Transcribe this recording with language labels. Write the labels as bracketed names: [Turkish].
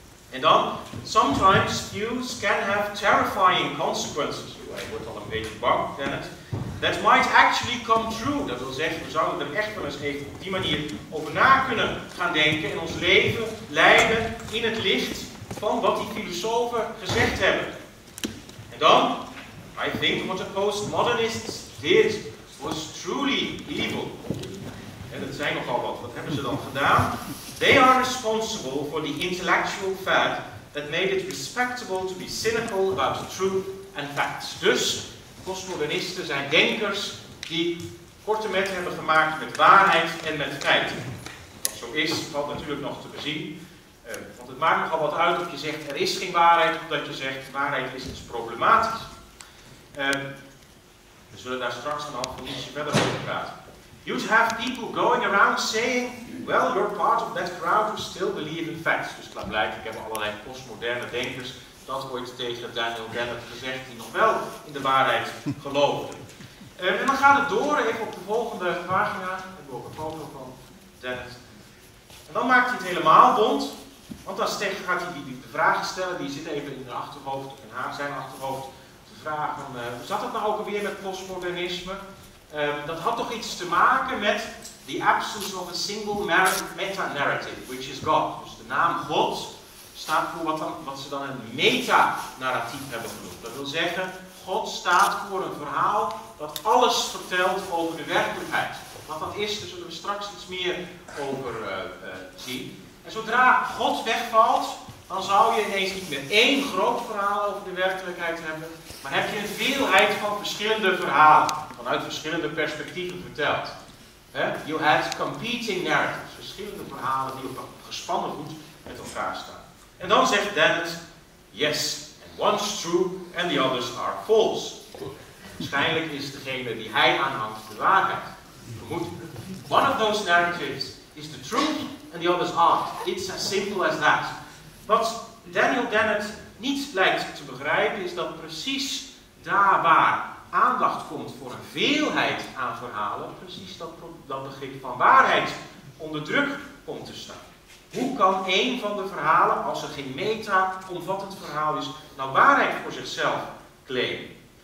[Dutch] En dan, [English] sometimes views can have terrifying consequences. [Dutch] Je wordt al een beetje bang, Dennis. [English] That might actually come true. [Dutch] Dat wil zeggen, we zouden er echt wel eens even op die manier over na kunnen gaan denken. En ons leven leiden in het licht van wat die filosofen gezegd hebben. En dan, [English] I think what the postmodernists did was truly evil. [Dutch] En dat zijn nogal wat. Wat hebben ze dan gedaan? [English] They are responsible for the intellectual fad that made it respectable to be cynical about the truth and facts. [Dutch] Dus, postmodernisten zijn denkers die korte met hebben gemaakt met waarheid en met feiten. Wat zo is, valt natuurlijk nog te bezien. Want het maakt nogal wat uit of je zegt er is geen waarheid, of dat je zegt waarheid is dus problematisch. We zullen daar straks een half minuutje verder over praten. [English] You'd have people going around saying, well, you're part of that crowd who still believe in facts. [Dutch] Dus blijkbaar hebben allerlei postmoderne denkers dat ooit tegen Daniel Dennett gezegd, die nog wel in de waarheid geloofden. En dan gaat het door, even op de volgende pagina, hebben we ook een foto van Dennett. En dan maakt hij het helemaal bond, want dan gaat hij de vragen stellen, die zitten even in haar achterhoofd, in zijn achterhoofd, te vragen, hoe zat dat nou ook alweer met postmodernisme? Dat had toch iets te maken met [English] the absence of a single meta-narrative, which is God. [Dutch] Dus de naam God staat voor wat ze dan een meta-narratief hebben genoemd. Dat wil zeggen, God staat voor een verhaal dat alles vertelt over de werkelijkheid. Wat dat is, daar zullen we straks iets meer over zien. En zodra God wegvalt, dan zou je ineens niet meer één groot verhaal over de werkelijkheid hebben, maar heb je een veelheid van verschillende verhalen. Vanuit verschillende perspectieven verteld. [English] You had competing narratives. [Dutch] Verschillende verhalen die op een gespannen voet met elkaar staan. En dan zegt [English] Dennett, yes, and one's true and the others are false. [Dutch] Waarschijnlijk is degene die hij aanhangt de waarheid. Vermoedelijk. [English] One of those narratives is the truth and the others aren't. It's as simple as that. [Dutch] Wat Daniel Dennett niet lijkt te begrijpen is dat precies daar waar aandacht komt voor een veelheid aan verhalen, precies dat begrip van waarheid onder druk komt te staan. Hoe kan één van de verhalen, als er geen meta-omvattend verhaal is, nou waarheid voor zichzelf claimen?